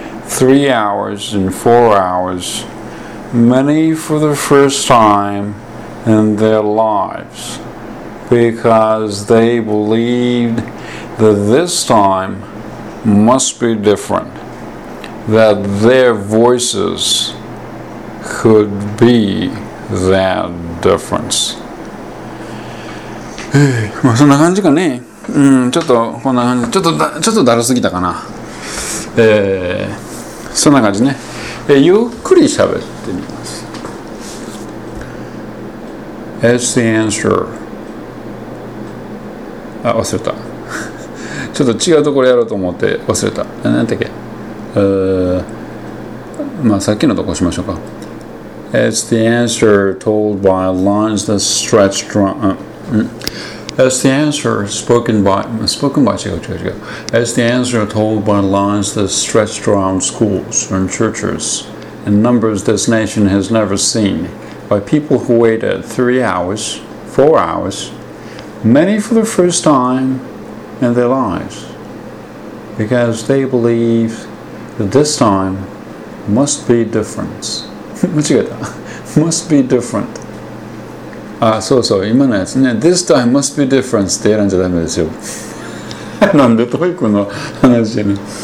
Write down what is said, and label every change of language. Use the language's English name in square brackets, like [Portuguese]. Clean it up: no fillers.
[English] 3 hours and 4 hours, many for the first time in their lives, because they believed that this time must be different, that their voices could be that difference. [Japanese] まあそんな感じかね。ちょっとこんな感じ、ちょっとだるすぎたかな。そんな感じね。ゆっくり喋ってみます。 [English] That's the answer. [Japanese] あ、忘れた。ちょっと違うところやろうと思って忘れた。何だっけ。まあさっきのとこしましょうか。 [English] That's the answer told by lines that stretch drum. As the answer spoken by [Japanese] 違う。 [English] As the answer told by lines that stretched around schools and churches, in numbers this nation has never seen, by people who waited 3 hours, 4 hours, many for the first time in their lives, because they believe that this time must be different. [Japanese] 間違えた。 [English] Must be different. [Japanese] ああそうそう、今のやつね。 [English] This time must be different [Japanese] って選んじゃダメですよ。なんでトイックの話じゃない。